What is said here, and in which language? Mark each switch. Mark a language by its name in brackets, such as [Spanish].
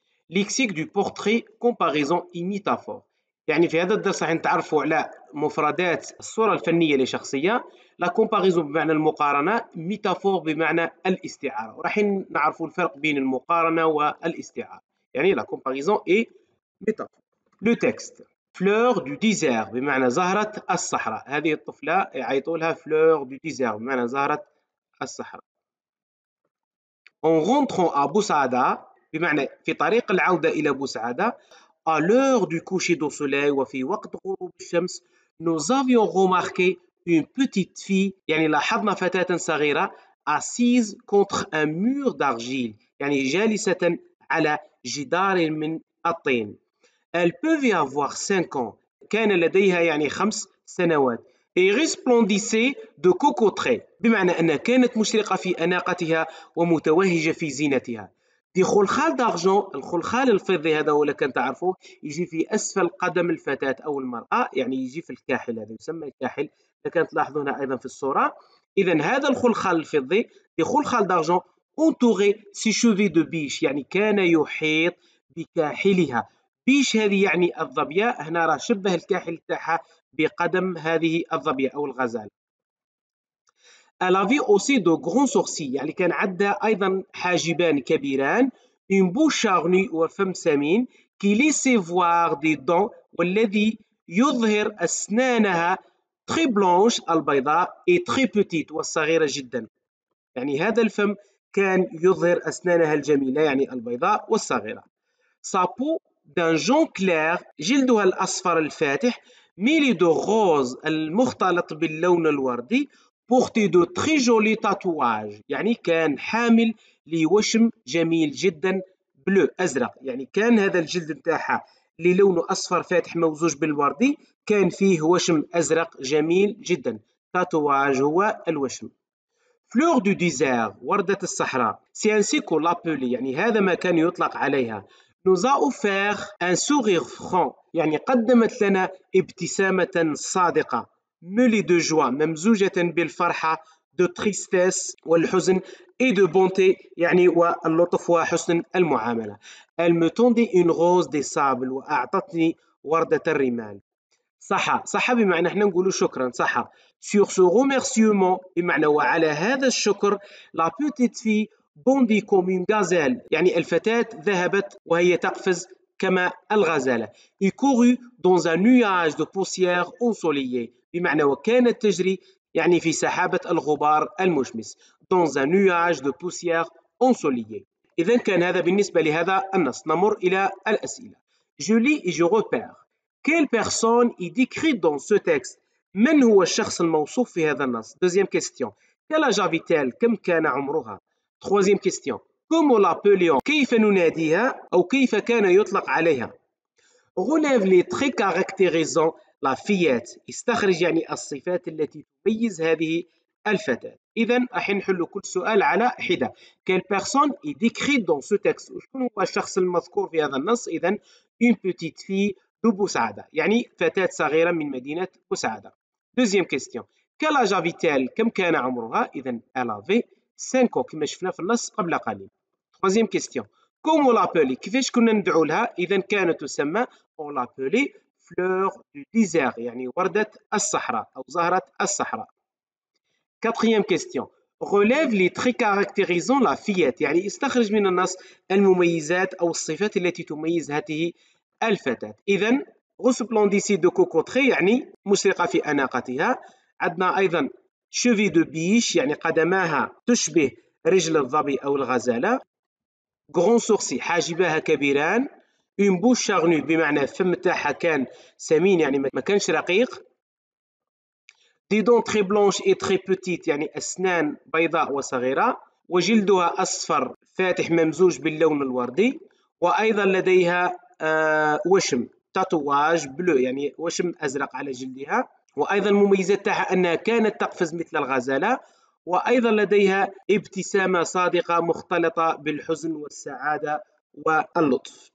[French] ليكسيك دو بورتري كومباريزون اي ميتافور. [Arabic] يعني في هذا الدرس راح نتعرفوا على مفردات الصورة الفنية لشخصية، لا كومباريزون بمعنى المقارنة، ميتافور بمعنى الاستعارة، وراح نعرفوا الفرق بين المقارنة والاستعارة. يعني لا كومباريزون اي ميتافور. [French] لو تيكست [Arabic] فلور دو ديزير بمعنى زهرة الصحراء. هذه الطفلة يعيطوا لها فلور دو ديزير بمعنى زهرة الصحراء. [French] En rentrant à Boussada, [Arabic] بمعنى في طريق العودة إلى بوسعادة, [French] à l'heure du coucher du soleil, [Arabic] وفي وقت غروب الشمس, [French] nous avions remarqué une petite fille, [Arabic] يعني لاحظنا فتاة صغيرة, [French] assise contre un mur d'argile, [Arabic] يعني جالسة على جدار من الطين. [French] Elle pouvait avoir 5 ans, [Arabic] كان لديها يعني 5 سنوات. [French] Et resplendissait de cocoterie, [Arabic] بمعنى أنها كانت مشرقة في أناقتها ومتوهجة في زينتها. [French] دي خلخال دارجون، [Arabic] الخلخال الفضي هذا هو اللي كان تعرفوه، يجي في أسفل قدم الفتاة أو المرأة، يعني يجي في الكاحل، هذا يسمى الكاحل، اللي كانت تلاحظونها أيضا في الصورة. إذا هذا الخلخال الفضي، [French] دي خلخال دارجون، أونتوغي سي شوفي دو بيش، [Arabic] يعني كان يحيط بكاحلها. بيش هذه يعني الظبية، هنا راه شبه الكاحل تاعها بقدم هذه الظبية أو الغزال. [French] Elle avait aussi de grands sourcils, [Arabic] يعني كان عندها أيضا حاجبان كبيران, [French] une bouche charnue [Arabic] وفم سمين, [French] qui laissait voir des dents, [Arabic] والذي يظهر أسنانها [French] très blanche, البيضاء, et très petite, [Arabic] والصغيرة جدا. يعني هذا الفم كان يظهر أسنانها الجميلة, يعني البيضاء والصغيرة. [French] Sa peau d'un jaune clair, [Arabic] جلدها الأصفر الفاتح, [French] mêlé de rose, [Arabic] المختلط باللون الوردي, [French] porté de très joli tatouage, [Arabic] يعني كان حامل لوشم جميل جدا بلو أزرق. يعني كان هذا الجلد نتاعها اللي لونه أصفر فاتح موزوج بالوردي كان فيه وشم أزرق جميل جدا. تاتواج هو الوشم. [French] Fleur du désert, [Arabic] وردة الصحراء. [French] C'est ainsi qu'on l'appelait, [Arabic] يعني هذا ما كان يطلق عليها. [French] Nous a offert un sourire franc, [Arabic] يعني قدمت لنا ابتسامة صادقة. [French] Mêlée de joie, [Arabic] ممزوجة بالفرحة, [French] de tristesse, [Arabic] والحزن, [French] et de bonté, [Arabic] يعني واللطف وحسن المعاملة. [French] Elle me tendit une rose des sables, [Arabic] وأعطتني وردة الرمال. صحة, صحة بمعنى احنا نقوله شكرا, صحة. [French] Sur ce remerciement, [Arabic] بمعنى وعلى هذا الشكر, [French] la petite fille bondit comme une gazelle, [Arabic] يعني الفتاة ذهبت وهي تقفز كما الغزالة. [French] Il courut dans un nuage de poussière ensoleillée, [Arabic] بمعنى وكانت تجري يعني في سحابة الغبار المشمس. [French] Dans un nuage de poussière ensoleillée. [Arabic] إذن كان هذا بالنسبة لهذا النص. نمر إلى الأسئلة. [French] Je lis et je repère. Quelle personne est décrite dans ce texte? [Arabic] من هو الشخص الموصوف في هذا النص؟ [French] Deuxième question. Quel âge avait-elle? [Arabic] كم كان عمرها؟ [French] Troisième question. Comment l'appelions? [Arabic] كيف نناديها؟ أو كيف كان يطلق عليها؟ [French] Relève les traits caractérisants la fillette. [Arabic] استخرج يعني الصفات التي تميز هذه الفتاة. إذن راح نحل كل سؤال على حدة. [French] Quelle personne est décrite dans ce texte? [Arabic] شكون هو الشخص المذكور في هذا النص؟ إذن [French] une petite fille de [Arabic] بوسعادة. يعني فتاة صغيرة من مدينة بوسعادة. [French] Deuxième question. Quel âge avait-elle? [Arabic] كم كان عمرها؟ إذن [French] elle avait 5 ans [Arabic] كما شفنا في النص قبل قليل. [French] Troisième question. Comment l'appeler? [Arabic] كيفاش كنا ندعو لها؟ إذن كانت تسمى [French] on l'appelait [Arabic] fleur du désert, يعني وردة الصحراء أو زهرة الصحراء. [French] Quatrième question. Relève les traits caractérisant la fillette, [Arabic] يعني استخرج من النص المميزات أو الصفات التي تميز هذه الفتاة. إذن [French] resplendissait de cocoterie, [Arabic] يعني مشرقة في أناقتها. عندنا أيضا [French] شوفي دو بيش, [Arabic] يعني قدماها تشبه رجل الظبي أو الغزالة. [French] Grand sourcil, [Arabic] حاجبها كبيران. [French] Une bouche charnue, [Arabic] بمعنى فم تاعها كان سمين, يعني ما كانش رقيق. [French] Des dents très blanches et très petites, [Arabic] يعني أسنان بيضاء وصغيرة. وجلدها أصفر فاتح ممزوج باللون الوردي، وأيضا لديها وشم تاتواج بلو، يعني وشم أزرق على جلدها. وأيضا مميزاتها أنها كانت تقفز مثل الغزالة، وأيضا لديها ابتسامة صادقة مختلطة بالحزن والسعادة واللطف.